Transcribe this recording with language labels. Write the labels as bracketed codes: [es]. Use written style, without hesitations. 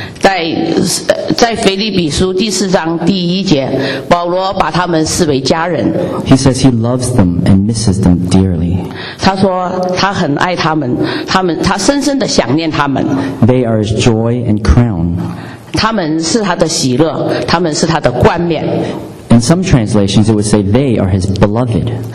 [zh] 在腓立比书第四章第一节，保罗把他们视为家人。 [en] He says he loves them and misses them dearly. [zh] 他说他很爱他们，他深深地想念他们。 [en] They are his joy and crown. [zh] 他们是他的喜乐，他们是他的冠冕。 [en] In some translations, it would say they are his beloved.